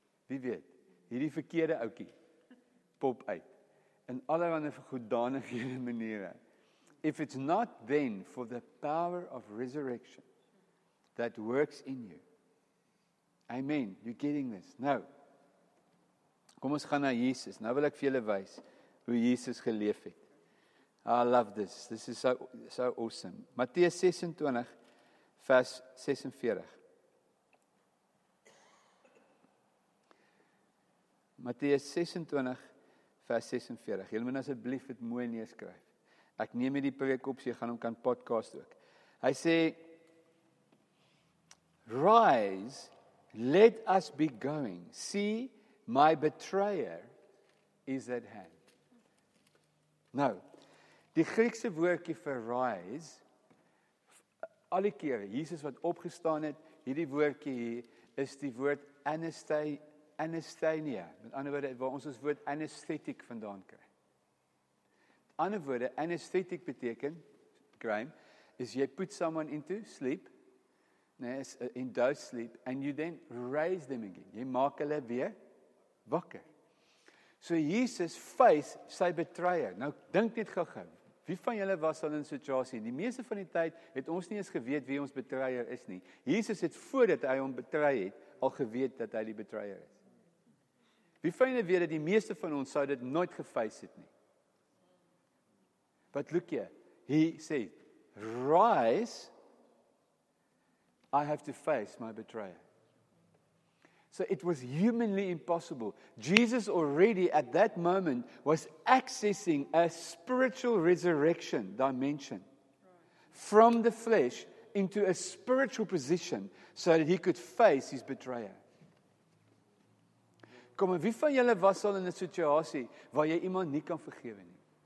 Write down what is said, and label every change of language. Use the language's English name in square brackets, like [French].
[Afrikaans] Wie weet, hierdie verkeerde oukie pop uit. In allerhande goeddanighede maniere. [English] If it's not then for the power of resurrection that works in you. Amen, you're getting this. [Afrikaans] Nou, kom ons gaan na Jesus. Nou wil ek vir julle wys hoe Jesus geleef het. [English] I love this. This is so awesome. [Afrikaans] Matteus 26 vers 46. Matteus 26 vers 46. Julle moet asseblief dit mooi neerskryf. Ek neem hierdie preek op, so jy gaan hom kan podcast ook. Hy sê, [English] rise, let us be going. See, my betrayer is at hand. [Afrikaans] Nou, die Griekse woordjie vir rise, alle kere, Jesus wat opgestaan het, hierdie woordjie hier, is die woord anesthesia. Met ander woorde, waar ons ons woord anesthetic vandaan kry. Met ander woorde, anesthetic beteken, Graham, is jy [English] put someone into sleep, in dose sleep, and you then raise them again. [Afrikaans] Jy maak hulle weer wakker. So Jesus face sy betrayer. Nou, dink net gou-gou. Wie van julle was al in situasie? Die meeste van die tyd het ons nie eens geweet wie ons betreier is nie. Jesus het voordat hy hom betrei het, al geweet dat hy die betreier is. Wie van julle weet dat die meeste van ons sou dit nooit geface het nie? [English] But look here, he said, rise, I have to face my betrayer. So it was humanly impossible. Jesus already at that moment was accessing a spiritual resurrection dimension from the flesh into a spiritual position so that he could face his betrayer. [Afrikaans] Kom, wie van julle was al in 'n situasie waar jy iemand nie kan vergewe nie?